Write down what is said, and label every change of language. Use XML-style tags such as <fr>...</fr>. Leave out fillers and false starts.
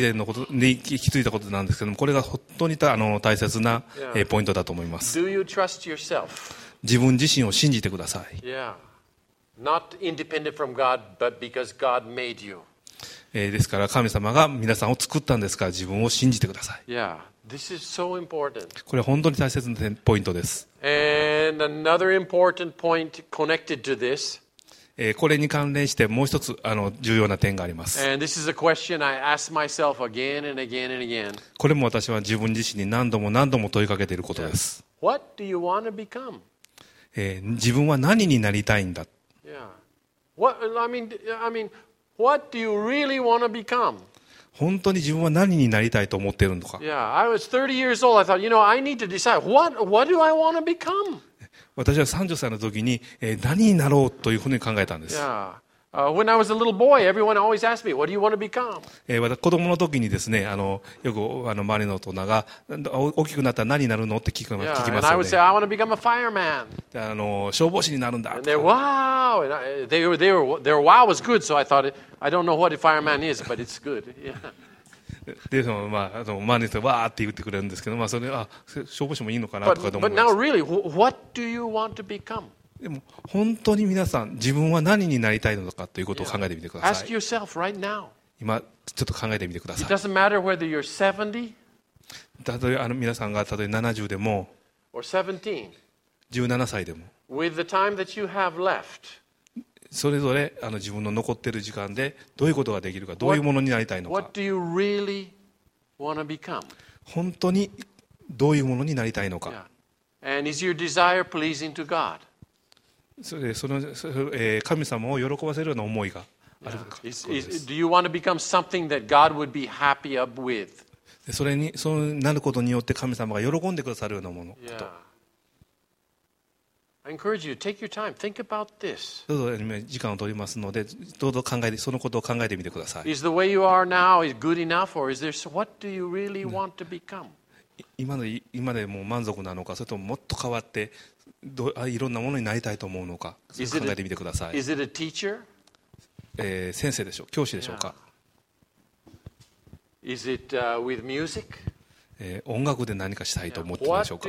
<ja>前のことに気づいたことなんですけども、これが本当に大切な、</ja> <en>yeah.</en> <ja>ポイントだと思います。</ja> <en>Do you trust yourself?</en> <ja>自分自身を信じてください。</ja> <en>Yeah. Not independent from God, but because God made you.</en> <ja>ですから神様が皆さんを作ったんですから自分を信じてください。</ja> <en>Yeah, this is so important.</en> <ja>これは本当に大切なポイントです。</ja> <en>And another important point connected to this.</en> <ja>これに関連してもう一つ重要な点があります。</ja> <en>And this is a question I ask myself again and again and again.</en> <ja>これも私は自分自身に何度も何度も問いかけていることです。</ja> <en>Yeah. What do you want to become?</en> <ja>自分は何になりたいんだ。</ja> <en>Yeah. What I mean. What do you really want to become?</en> <ja>本当に自分は何になりたいと思っているのか。</ja> <en>Yeah, I was 30 years old. I thought, you know, I need to decide what do I want to become?</en> <ja>私は30歳の時に何になろうというふうに考えたんです。</ja> <en>Yeah, when I was a little boy, everyone always asked me, what do you want to become?</en> <ja>子供の時にですね、よく周りの大人が大きくなったら何になるのって聞きますよね。</ja> <en>Yeah, and I would say, I want to become a fireman.</en> <ja>消防士になるんだ。</ja> <en>And they're wow, and their wow was good, so I thought it. I don't know what a fireman is, but it's good.</en> <ja>でも、周りの人がわーって言ってくれるんですけど、それは消防士もいいのかなとか思います。</ja> <en>But now, really, what do you want to become?</en> <ja>でも、本当に皆さん、自分は何になりたいのかということを考えてみてください。</ja> <en>Ask yourself right now.</en> <ja>今、ちょっと考えてみてください。</ja> <en>It doesn't matter whether you're 70.</en> <ja>例えば、皆さんが例えば70でも、</ja> <en>or 17.</en> <ja>17歳でも。</ja> <en>With the time that you have left.</en> <ja>それぞれ自分の残っている時間でどういうことができるか、どういうものになりたいのか。</ja> <en>What do you really want to become?</en> <ja>本当にどういうものになりたいのか。</ja> <en>Yeah. And is your desire pleasing to God?</en> <ja>それ神様を喜ばせるような思いがあるか。</ja> <en>Yeah. Do you want to become something that God would be happy up with?</en> <ja>それに、そうなることによって神様が喜んでくださるようなものと。</ja> <en>Yeah. I encourage you to take your time. Think about this.</en> <ja>どうぞ時間を取りますので、どうぞ考えて、そのことを考えてみてください。</ja> <en>Is the way you are now good enough, or is there what do you really want to become?</en> <ja>今でも満足なのか、それとももっと変わって、いろんなものになりたいと思うのか、考えてみてください。</ja> <en>Is it a teacher?</en> <ja>先生でしょう、教師でしょうか。</ja> <en>Yeah. Is it with music?</en> <ja>音楽で何かしたいと思っているでしょうか。</ja>